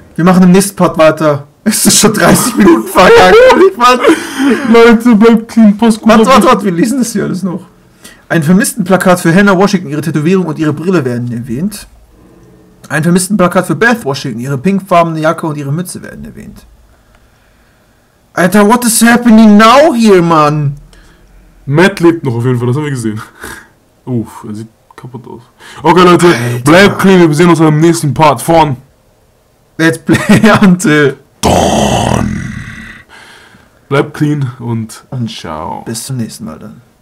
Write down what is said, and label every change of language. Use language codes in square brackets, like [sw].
[de] wir machen im nächsten Part weiter. Es ist schon 30 Minuten vergangen. Leute, beim Clean Post gut. Warte, wir lesen das hier alles noch. Ein Vermisstenplakat für Hannah Washington, ihre Tätowierung und ihre Brille werden erwähnt. Ein Vermisstenplakat für Beth Washington, ihre pinkfarbene Jacke und ihre Mütze werden erwähnt. Alter, [en] what is happening now here, man? [de] Matt lebt noch auf jeden Fall, das haben wir gesehen. Uff, er sieht kaputt aus. Okay, Leute, bleibt clean, wir sehen uns im nächsten Part von [en] Let's Play Until [de] Dawn. Bleibt clean und ciao. Bis zum nächsten Mal dann.